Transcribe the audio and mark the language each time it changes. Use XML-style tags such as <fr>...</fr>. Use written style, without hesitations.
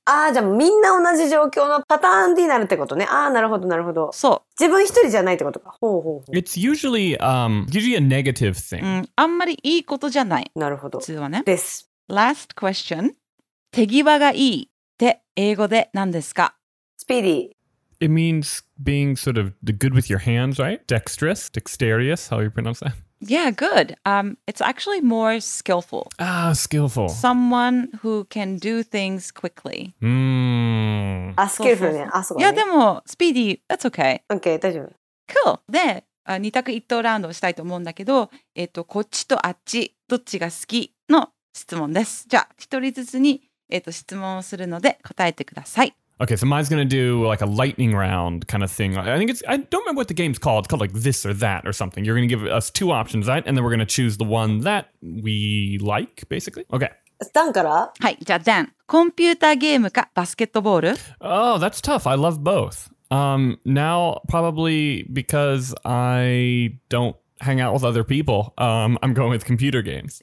<ja>ああ、じゃあみんな同じ状況のパターンになるってことね。ああ、なるほどなるほど。そう。自分一人じゃないってことか。ほうほうほう。</ja> <en>It's usually, usually a negative thing.</en> <ja>うん、あんまりいいことじゃない。なるほど。普通はね。です。</ja> <en>Last question.</en> <ja>手際がいいって英語で何ですか？</ja> <en>Speedy. It means being sort of good with your hands, right? Dexterous, dexterous, how you pronounce that? Yeah, good. It's actually more skillful. Ah, skillful. Someone who can do things quickly. Mm. Ah, skillful,</en> <ja>ね。あそこ。いや、でも、</ja> <en>speedy, that's okay.</en> <ja>Okay, 大丈夫。</ja> <en>Cool.</en> <ja>で、二択一答ラウンドをしたいと思うんだけど、こっちとあっち、どっちが好きの質問です。じゃあ、一人ずつに、質問をするので答えてください。</ja> <en>Okay, so mine's gonna do like a lightning round kind of thing. I don't remember what the game's called. It's called like this or that or something. You're gonna give us two options, right? And then we're gonna choose the one that we like, basically. Okay.</en> <ja>Dan から? はい、じゃあ Dan。コンピューターゲームかバスケットボール?</ja> <en>Oh, that's tough. I love both. Now, probably because I don't hang out with other people, I'm going with computer games.</en>